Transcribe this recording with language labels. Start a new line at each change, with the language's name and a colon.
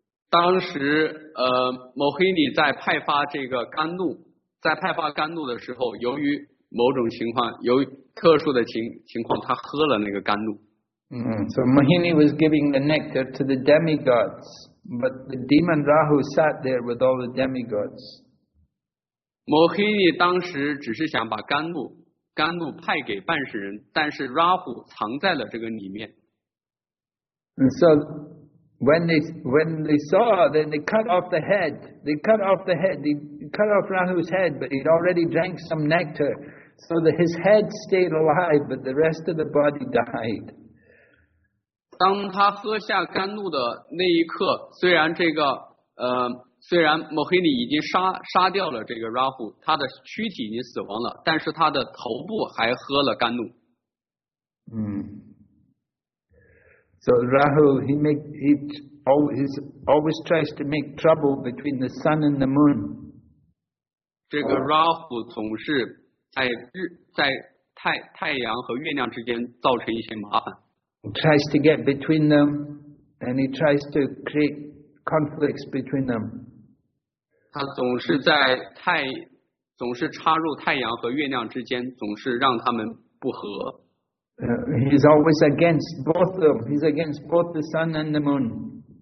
Chinese: 当时Mohini 在派发甘露的时候，由于某种情况，由于特殊的情况，他喝了那个甘露。
English: So Mohini was giving the nectar to the demigods, but the demon Rahu sat there with all the demigods.
Chinese: Mohini 当时只是想把甘露, 甘露派给办事人，但是拉虎藏在了这个里面。
English: And so when they saw, then they cut off the head. They cut off the head. They cut off Rahu's head, but he'd already drank some nectar, so that his head stayed alive, but the rest of the body died.
Chinese: 当他喝下甘露的那一刻，虽然这个虽然摩黑尼已经杀掉了这个拉虎，他的躯体已经死亡了，但是他的头部还喝了甘露。嗯。
English: So Rahu, he always tries to make trouble between the sun and the moon.
Chinese: 这个 Rahu 总是在太阳和月亮之间造成一些麻烦。
English: He tries to get between them, and he tries to create conflicts between them.
Chinese: 他总是插入太阳和月亮之间，总是让他们不和。
English: He's always against both of them. He's against both the sun and the moon.